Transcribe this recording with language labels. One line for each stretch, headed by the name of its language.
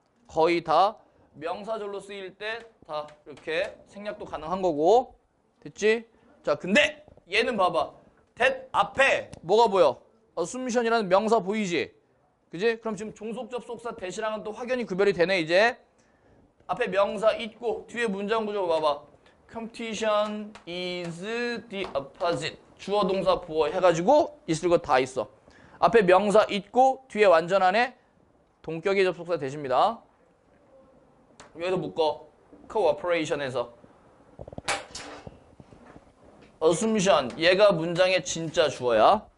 Korean: 거의 다 명사절로 쓰일 때다 이렇게 생략도 가능한 거고. 됐지? 자, 근데 얘는 봐봐. that 앞에 뭐가 보여? assumption이라는 명사 보이지? 그지? 그럼 지금 종속 접속사 that이랑은 또 확연히 구별이 되네, 이제. 앞에 명사 있고 뒤에 문장 구조 봐봐.
English: Competition is the opposite.
Korean: 주어 동사 부어 해가지고 있을 거다 있어. 앞에 명사 있고 뒤에 완전한에 동격의 접속사 되십니다. 여기서 묶어. Cooperation에서 Assumption 얘가 문장의 진짜 주어야.